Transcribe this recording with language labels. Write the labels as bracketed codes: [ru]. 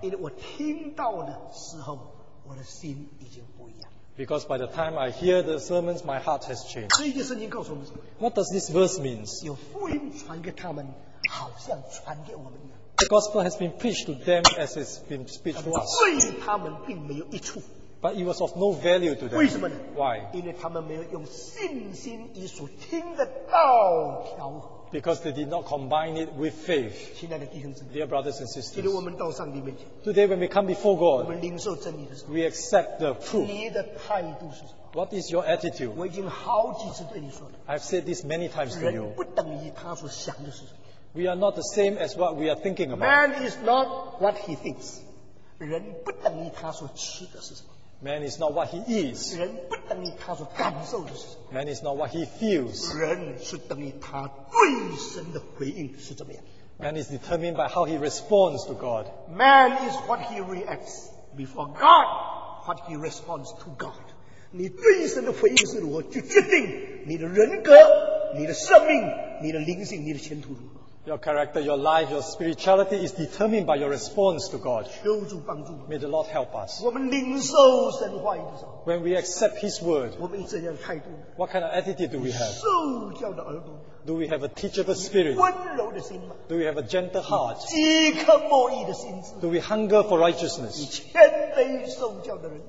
[zh] 因为我听到的时候, 我的心已经不一样。 [en] Because by the time I hear the sermons, my heart has changed. [zh] 所以这圣经告诉我们, [en] what does this verse mean? [zh] 有福音传给他们, 好像传给我们一样。 [en] The gospel has been preached to them as it's been preached to us. [zh] 对他们并没有益处。 [en] But it was of no value to them. [zh] 为什么呢? [en] Why? [zh] 因为他们没有用信心以所听的道调和。 [en] Because they did not combine it with faith. [zh] 亲爱的弟兄姊妹, [en] dear brothers and sisters, [zh] 今天我们到上帝面前, [en] today when we come before God, [zh] 我们领受真理的时候, [en] we accept the truth. [zh] 你的态度是什么? [en] What is your attitude? [zh] 我已经好几次对你说了, [en] I've said this many times to you. [zh] 人不等于他所想的是什么? [en] We are not the same as what we are thinking about. Man is not what he thinks. [zh] 人不等于他所吃的是什么? [en] Man is not what he is. [zh] 人不等于他所感受的是什么。 [en] Man is not what he feels. [zh] 人是等于他对神的回应是怎么样。 [en] Man is determined by how he responds to God. Man is what he reacts before God, what he responds to God. [zh] 你对神的回应是如何，就决定你的人格、你的生命、你的灵性、你的前途如何。 [en] Your character, your life, your spirituality is determined by your response to God. [zh] 求主帮助。 [en] May the Lord help us. [zh] 我们领受神话语的时候。 [en] When we accept His word. [zh] 我们以怎样的态度。 [en] What kind of attitude do we have? [zh] 受教的耳朵。 [en] Do we have a teachable spirit? [zh] 温柔的心吗? [en] Do we have a gentle heart? [zh] 饥渴慕义的心智。 [en] Do we hunger for righteousness? [zh] 以谦卑受教的人。